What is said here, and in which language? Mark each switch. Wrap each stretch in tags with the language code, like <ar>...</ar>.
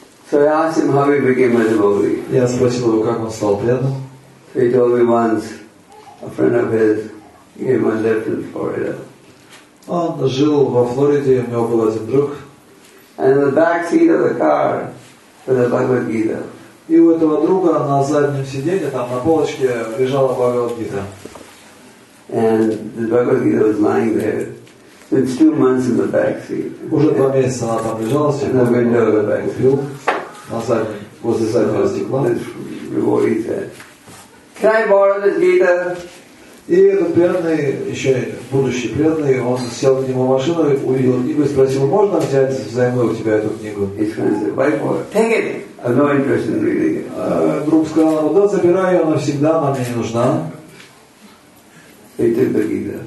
<en>So I asked him how he became a devotee.</en> <ru>Я спросил его, как он стал преданным.</ru> <en>He told me once a friend of his gave him a lift in Florida.</en> <ru>Он жил во Флориде, у него был один друг.</ru> <en>And in the back seat of the car was a Bhagavad Gita.</en> <ru>И у этого друга на заднем сиденье, там на полочке, лежала Bhagavad Gita.</ru> <en>And the Bhagavad Gita was lying there. It's 2 months in the back seat.</en> <ru>Уже 2 месяца она там лежала, с тех пор, когда он ее купил на заднем, возле заднего стекла.</ru> <en>Before he said, "Can I borrow this Gita?"</en> <ru>И этот преданный, еще будущий преданный, он сел к нему в машину, увидел книгу и спросил, можно взять взаймы у тебя эту книгу? Друг сказал, ну да, забирай ее навсегда, она мне не нужна.</ru>